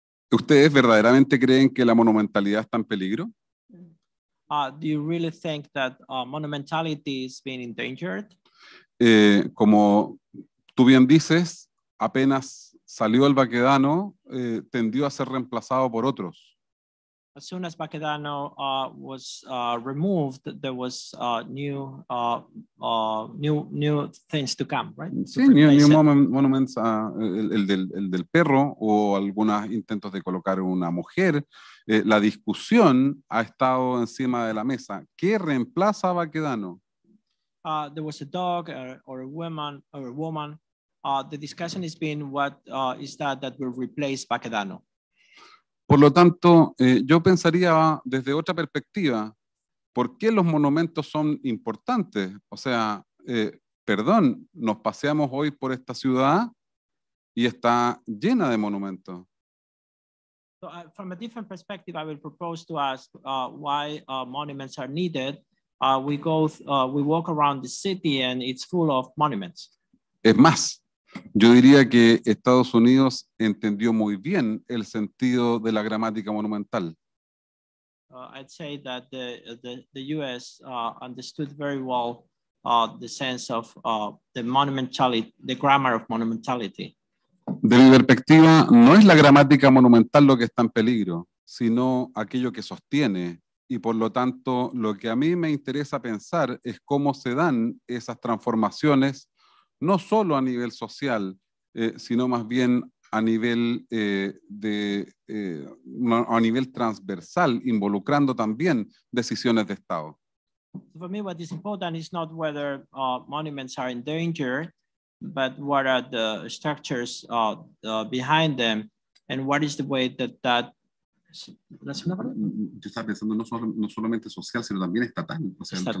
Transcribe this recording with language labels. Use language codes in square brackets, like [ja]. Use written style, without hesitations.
[es] ¿Ustedes verdaderamente creen que la monumentalidad está en peligro? [en] Do you really think that monumentality is being endangered? [es] Como tú bien dices, apenas salió el Baquedano, tendió a ser reemplazado por otros. [en] As soon as Baquedano was removed, there was new things to come, right? [es] Sí, [en] new monuments, [es] el del perro o algunos intentos de colocar una mujer. La discusión ha estado encima de la mesa. ¿Qué reemplaza a Baquedano? [en] There was a dog or a woman. The discussion has been what is that will replace Baquedano. [es] Por lo tanto, yo pensaría desde otra perspectiva, ¿por qué los monumentos son importantes? O sea, perdón, nos paseamos hoy por esta ciudad y está llena de monumentos. [en] So, from a different perspective, I will propose to ask why monuments are needed. We walk around the city and it's full of monuments. [es] Es más, yo diría que Estados Unidos entendió muy bien el sentido de la gramática monumental. [en] I'd say that the U.S. Understood very well the sense of the monumentality, the grammar of monumentality. [es] De mi perspectiva, no es la gramática monumental lo que está en peligro, sino aquello que sostiene. Y por lo tanto, lo que a mí me interesa pensar es cómo se dan esas transformaciones no solo a nivel social, sino más bien a nivel a nivel transversal, involucrando también decisiones de Estado. [en] For me, what is important is not whether monuments are in danger, but what are the structures behind them, and what is the way that. [es] Yo estaba pensando no solamente social, sino también estatal, o sea, estatal.